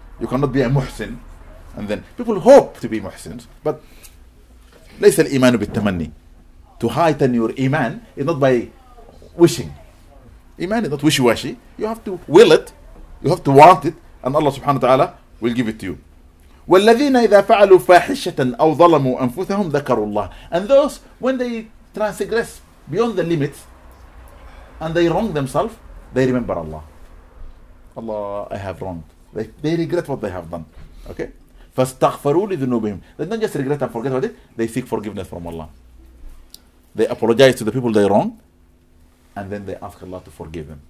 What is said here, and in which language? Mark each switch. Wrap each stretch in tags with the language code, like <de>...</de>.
<en>You cannot be a muhsin. And then people hope to be muhsins, but</en> <ar>ليس الإيمان بالتمني.</ar> <en>To heighten your iman is not by wishing. Iman is not wishy-washy. You have to will it, you have to want it, and Allah subhanahu wa ta'ala will give it to you.</en> <ar>والذين إذا فعلوا فاحشة أو ظلموا أنفسهم ذكروا الله.</ar> <en>And those, when they transgress beyond the limits and they wrong themselves, they remember Allah. Allah, I have wronged. They regret what they have done. Okay?</en> <ar>فَاسْتَغْفَرُوا لِذُنُوبِهِمْ.</ar> <en>They don't just regret and forget about it, they seek forgiveness from Allah. They apologize to the people they wrong, and then they ask Allah to forgive them.</en>